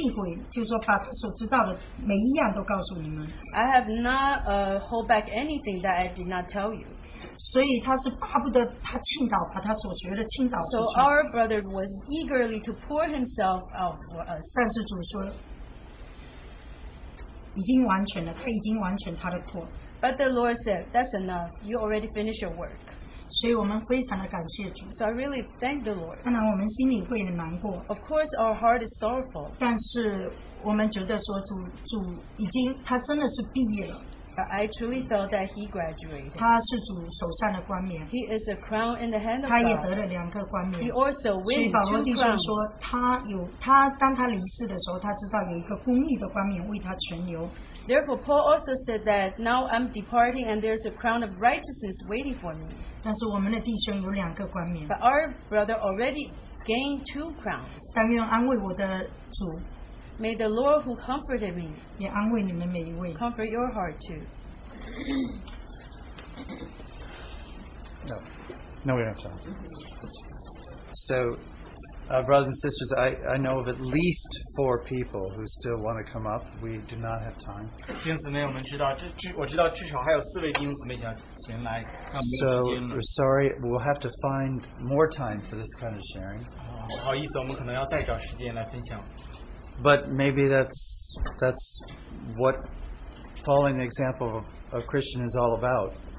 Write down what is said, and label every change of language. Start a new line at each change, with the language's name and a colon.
Chinese: 我没有避讳，就说没有避讳，就说把所知道的每一样都告诉你们。
English: I have not hold back anything that I did not tell you.
Chinese: 所以他是巴不得他倾倒，把他所学的倾倒。
English: So our brother was eagerly to pour himself out for us.
Chinese: 但是主说，已经完全了，他已经完成他的托。
English: But the Lord said, "That's enough. You already finished your work."
Chinese: 所以我们非常的感谢主。
English: So I really thank the Lord.
Chinese: 当然我们心里会难过。
English: Of course, our heart is sorrowful.
Chinese: 但是我们觉得说，主已经，他真的是毕业了。
English: I truly felt that he graduated.
Chinese: 他是主手上的冠冕。
English: He is a crown in the hand of God.
Chinese: 他也得了两个冠冕。
English: He also wins two crowns.
Chinese: 所以保罗弟兄说， 他当他离世的时候， 他知道有一个公义的冠冕为他存留。
English: Therefore, Paul also said that now I'm departing and there's a crown of righteousness waiting for me.
Chinese: 但是我们的弟兄有两个冠冕。
English: But our brother already gained two crowns.
Chinese: 但愿安慰我的主。
English: May the Lord who comforted me
Chinese: 也安慰你们每一位,
English: comfort your heart too. No, we don't. So, brothers and sisters, I know of at least four people who still want to come up. We do not have time.
Chinese: 弟兄姊妹，我们知道，我知道至少还有四位弟兄姊妹想来。
English: So we're sorry, we'll have to find more time for this kind of sharing.
Chinese: 不好意思，我们可能要再找时间来分享。
English: But maybe that's what following the example of a Christian is all about.